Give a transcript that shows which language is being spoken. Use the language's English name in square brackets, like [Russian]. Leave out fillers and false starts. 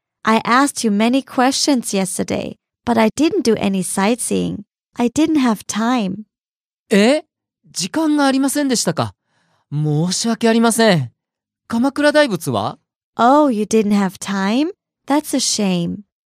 [English] I asked you many questions yesterday, but I didn't do any sightseeing. I didn't have time. [Japanese] 時間がありませんでしたか？申し訳ありません。鎌倉大仏は？ [English] Oh, you didn't have time?That's a shame.